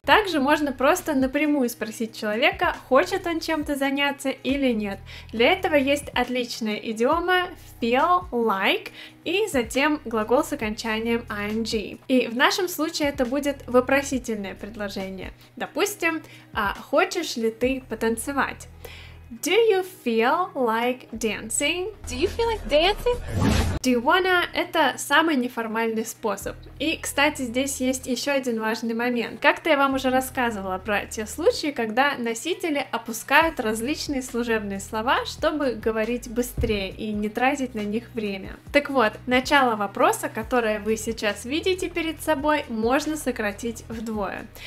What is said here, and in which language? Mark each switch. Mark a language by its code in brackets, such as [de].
[ru] Также можно просто напрямую спросить человека, хочет он чем-то заняться или нет. Для этого есть отличная идиома feel like и затем глагол с окончанием ing. И в нашем случае это будет вопросительное предложение. Допустим, хочешь ли ты потанцевать? [en] Do you feel like dancing? Do you feel like dancing? Do you wanna? [ru] Это самый неформальный способ. И, кстати, здесь есть еще один важный момент. Как-то я вам уже рассказывала про те случаи, когда носители опускают различные служебные слова, чтобы говорить быстрее и не тратить на них время. Так вот, начало вопроса, которое вы сейчас видите перед собой, можно сократить вдвое.